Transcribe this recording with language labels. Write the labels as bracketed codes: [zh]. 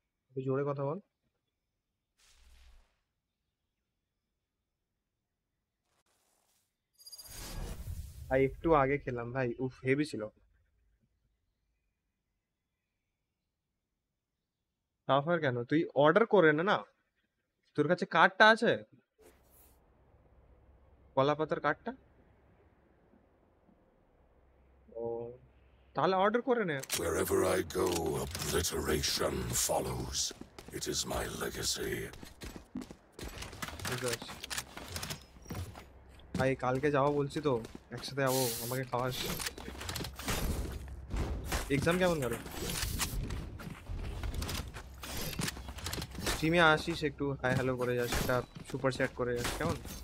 [bn] তুই জোরে কথা বল ভাই একটু আগে খেলাম ভাই উফ হেভি ছিল সাফার কেন তুই অর্ডার করে না না তোর কাছে কার্ডটা আছে কলা পাতার কার্ডটা ও তাহলে অর্ডার করে নে [en] wherever I go obliteration follows it is my legacy [bn] ভাই কালকে যাওয়া বলছি তো একসাথে যাবো আমাকে খাওয়াস এক্সাম কেমন গেল স্ট্রিমে আসিস একটু হাই হ্যালো করে যাস একটা সুপার চ্যাট করে যাস কেমন